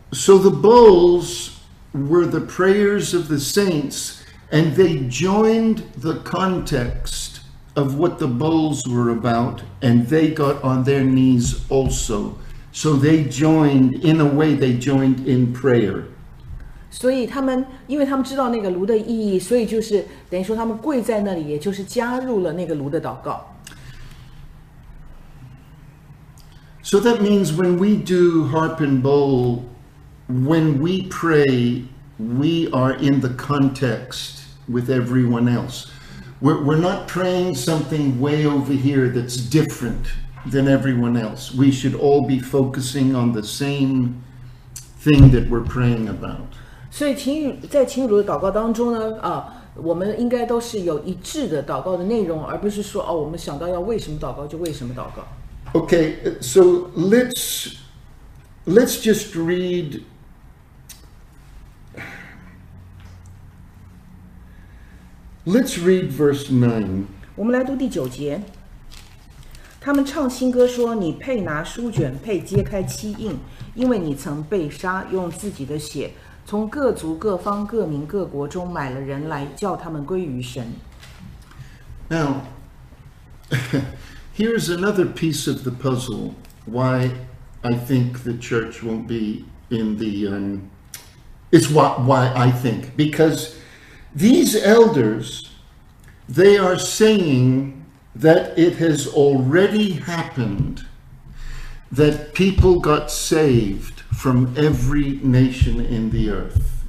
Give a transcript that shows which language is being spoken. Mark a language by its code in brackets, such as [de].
[en] So the bowls were the prayers of the saints, and they joined the context of what the bowls were about, and they got on their knees also. So they joined, in a way, they joined in prayer. [zh] 所以他们，因为他们知道那个炉的意义，所以就是等于说他们跪在那里，也就是加入了那个炉的祷告。 [en] So that means when we do harp and bowl, when we pray, we are in the context with everyone else. We're not praying something way over here that's different. Than everyone else. We should all be focusing on the same thing that we're praying about. [zh] 所以在情侣的祷告当中呢，我们应该都是有一致的祷告的内容，而不是说我们想到要为什么祷告就为什么祷告。 [en] Okay, so let's just read. Let's read verse 9. [zh] 我们来读第九节。他们唱新歌说，你配拿书卷，配揭开漆印，因为你曾被杀，用自己的血从各族各方各民各国中买了人来，叫他们归于神。 [en] Now, here's another piece of the puzzle why I think the church won't be in the, it's why I think, because these elders, they are saying,that it has already happened that people got saved from every nation in the earth.